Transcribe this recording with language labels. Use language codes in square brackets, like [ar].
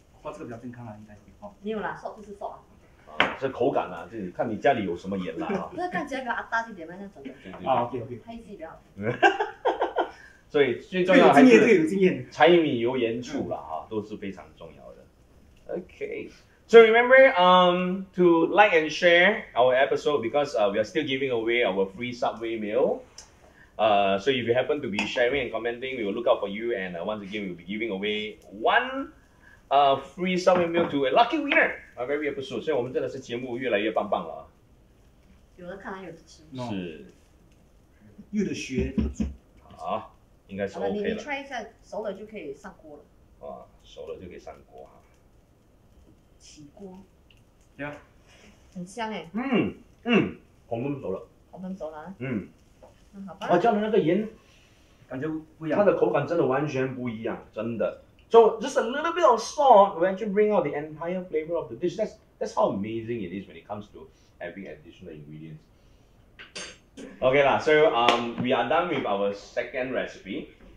[zh] 哇，这个比较健康啊，应该是。没有啦 ，salt 就是 salt。啊、是口感啊，就是看你家里有什么盐啦、啊。那看起来跟阿大一点嘛，那种的。对对对。 [en] 啊 ，OK OK。 [zh] 拍戏比较好。所以最重要还是。这个有经验。柴米油盐醋啦、啊，都是非常重要的。 [en] OK， so remember to like and share our episode because we are still giving away our free Subway meal. So if you happen to be sharing and commenting, we will look out for you, and once again, we will be giving away one free Subway meal to a lucky winner. [zh] 啊 ， [en] very episode， [zh] 所以我们真的是节目越来越棒棒了。有的看，有的吃。 [en] No. [zh] 是，越的学越煮。好，应该是 OK 了。你 [en] try [zh] 一下，熟了就可以上锅了。啊，熟了就可以上锅哈。起锅。对、 [en] yeah. [zh] 很香哎、欸。嗯嗯，黄焖熟了。黄焖熟了。嗯。那好吧。啊，加了那个盐，感觉不一样。它的口感真的完全不一样，真的。 [en] So just a little bit of salt will actually bring out the entire flavor of the dish. That's how amazing it is when it comes to having additional ingredients. Okay lah, so we are done with our second recipe.